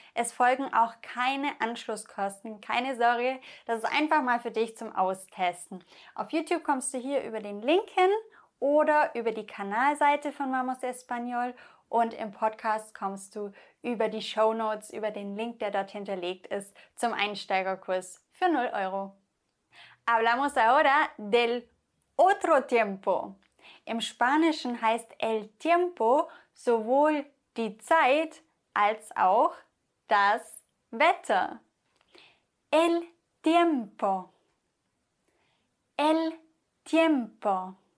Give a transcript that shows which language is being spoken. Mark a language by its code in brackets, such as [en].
[de] Es folgen auch keine Anschlusskosten, keine Sorge, das ist einfach mal für dich zum Austesten. Auf YouTube kommst du hier über den Link hin oder über die Kanalseite von Vamos Español und im Podcast kommst du über die Shownotes, über den Link, der dort hinterlegt ist, zum Einsteigerkurs für 0 Euro. [es] Hablamos ahora del otro tiempo. [de] Im Spanischen heißt el tiempo sowohl die Zeit als auch das Wetter. [es] El tiempo. El tiempo.